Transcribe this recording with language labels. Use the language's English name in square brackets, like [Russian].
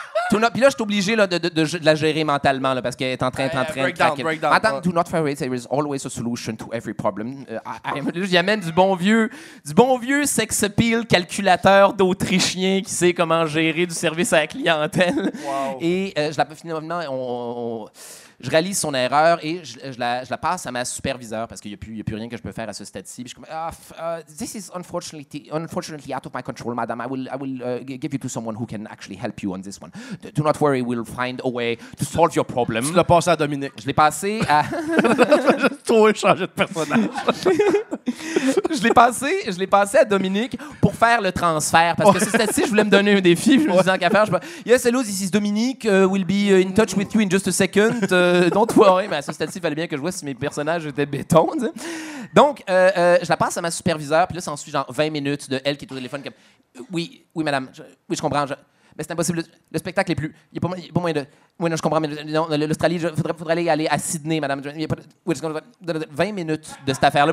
[French] Puis là, je suis obligé de la gérer mentalement, là, parce qu'elle est en train de craquer. Madame, [English] do not worry, there is always a solution to every problem. [French] J'y amène du bon vieux sex appeal calculateur d'Autrichien qui sait comment gérer du service à la clientèle. Wow. Et finalement, on je réalise son erreur et je la passe à ma superviseure parce qu'il n'y a plus rien que je peux faire à ce stade-ci. Je suis comme, [English] this is unfortunately out of my control, madame. I will give you to someone who can actually help you on this one. Do not worry, we'll find a way to solve your problem. [French] Tu l'as passé à Dominique. Je l'ai passé à... Toi, changer de personnage. je l'ai passé à Dominique pour faire le transfert parce que ce stade-ci, je voulais me donner un défi. Je me disais qu'à faire. [English] Yes, hello, this is Dominique. We'll be in touch with you in just a second. Don't worry, [French] mais à ce stade-ci, il fallait bien que je vois si mes personnages étaient béton. T'sais. Donc, je la passe à ma superviseure, puis là, ça en suit genre 20 minutes de elle qui est au téléphone. Comme, oui, madame, je comprends. Mais c'est impossible. Le spectacle est plus. Il n'y a pas moyen de. Oui, non, je comprends, mais non, l'Australie, il faudrait aller à Sydney, madame. Il n'y a pas de. 20 minutes de cette affaire-là.